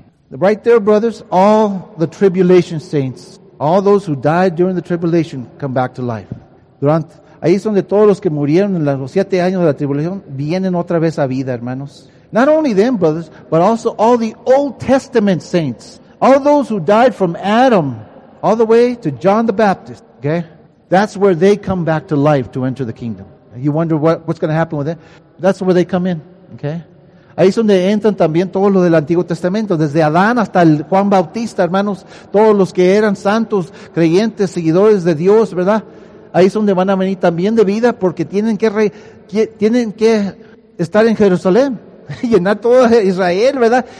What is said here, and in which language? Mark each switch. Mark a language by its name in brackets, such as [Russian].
[English] Right there, brothers, all the tribulation saints, all those who died during the tribulation come back to life. [Spanish] Ahí es donde todos los que murieron en los 7 años de la tribulación vienen otra vez a vida, hermanos. [English] Not only them, brothers, but also all the Old Testament saints. All those who died from Adam all the way to John the Baptist, okay? That's where they come back to life to enter the kingdom. You wonder what's going to happen with them? That's where they come in, okay? [Spanish] Ahí es donde entran también todos los del Antiguo Testamento, desde Adán hasta el Juan Bautista, hermanos. Todos los que eran santos, creyentes, seguidores de Dios, ¿verdad? Ahí es donde van a venir también de vida, porque tienen que estar en Jerusalén, llenar todo Israel, ¿verdad?